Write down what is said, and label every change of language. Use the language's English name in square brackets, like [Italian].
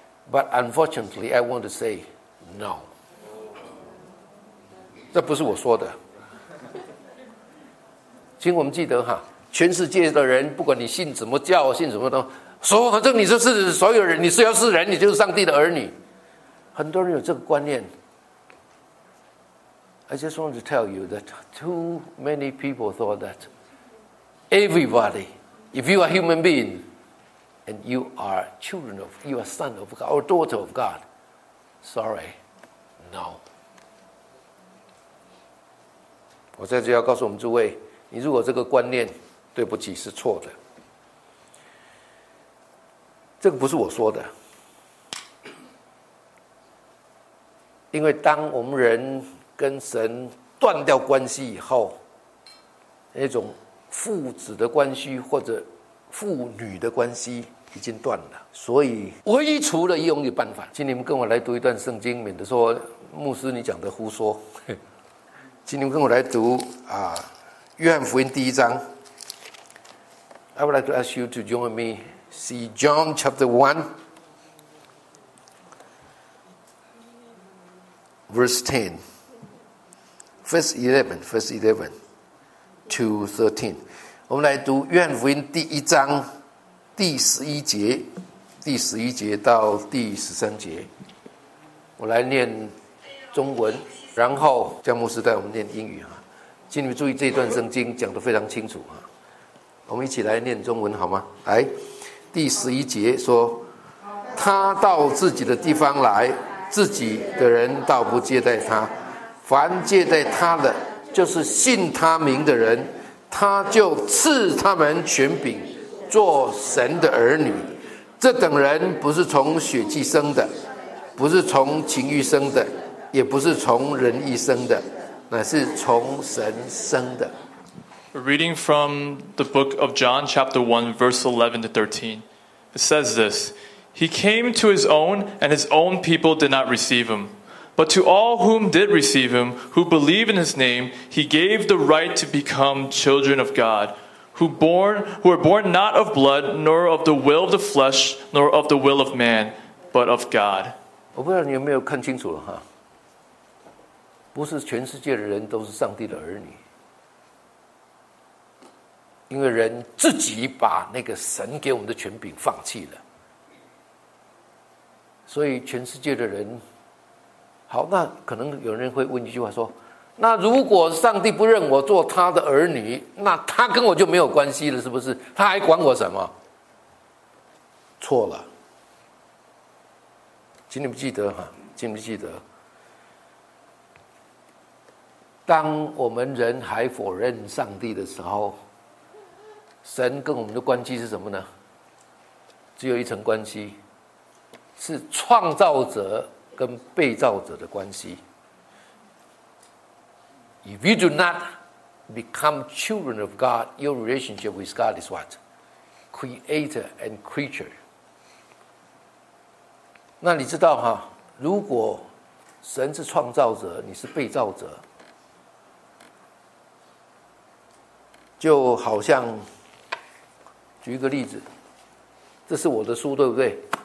[English] But unfortunately, I want to say no. [Chinese] 这不是我说的。请我们记得哈，全世界的人，不管你信什么教，信什么都说，反正你就是所有人，你是要是人，你就是上帝的儿女。很多人有这个观念。 [English] I just want to tell you that too many people thought that. Everybody, if you are a human being, and you are children of, you are son of God, or daughter of God, sorry, no. [Chinese] 我在这要告诉我们诸位，你如果这个观念，对不起，是错的。这个不是我说的。因为当我们人跟神断掉关系以后，那种父子的关系或者父女的关系已经断了，所以唯一除了一种有办法，请你们跟我来读一段圣经，免得说牧师你讲的胡说。请你们跟我来读约翰福音第一章。 [English] I would like to ask you to join me see John chapter 1 verse 11 to 13。 [Chinese] 我们来读约翰福音第一章第十一节，第十一节到第十三节。我来念中文，然后叫牧师带我们念英语哈。请你们注意这段圣经讲得非常清楚哈。我们一起来念中文好吗？来，第十一节说： 他到自己的地方来，自己的人倒不接待他。凡接待他的，就是信他名的人，他就赐他们权柄做神的儿女。这等人不是从血气生的，不是从情欲生的，也不是从人意生的，乃是从神生的。 [English] Reading from the book of John, chapter 1, verse 11 to 13, it says this: He came to his own, and his own people did not receive him. But to all whom did receive him, who believe in his name, he gave the right to become children of God, who are born not of blood, nor of the will of the flesh, nor of the will of man, but of God. [Chinese] 我不知道你有没有看清楚了哈，不是全世界的人都是上帝的儿女，因为人自己把那个神给我们的权柄放弃了，所以全世界的人。好，那可能有人会问一句话说，那如果上帝不认我做他的儿女，那他跟我就没有关系了，是不是？他还管我什么？错了。请你们记得哈，请你们记得，当我们人还否认上帝的时候，神跟我们的关系是什么呢？只有一层关系，是创造者跟被造者的关系。 [English] If you do not become children of God, your relationship with God is what? Creator and creature. [Chinese] 那你知道哈，如果神是创造者，你是被造者，就好像，举一个例子，这是我的书，对不对？